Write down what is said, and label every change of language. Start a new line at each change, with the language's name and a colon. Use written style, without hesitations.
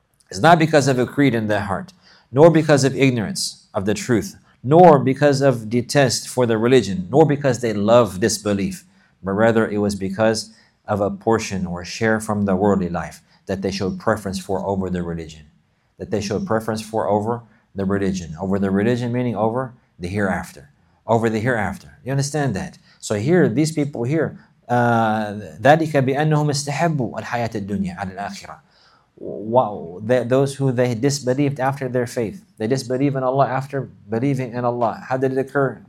English: It's not because of a creed in their heart, nor because of ignorance of the truth, nor because of detest for the religion, nor because they love disbelief, but rather it was because of a portion or share from the worldly life that they showed preference for over the religion. That they showed preference for over the religion. Over the religion meaning over the hereafter. Over the hereafter. You understand that? So here, these people here,
Arabic: ذَلِكَ بِأَنَّهُمْ اسْتَحَبُّوا الْحَيَاةَ الدُّنْيَا عَلَى الْآخِرَةِ.
English: Wow, those who they disbelieved after their faith, they disbelieve in Allah after believing in Allah. How did it occur?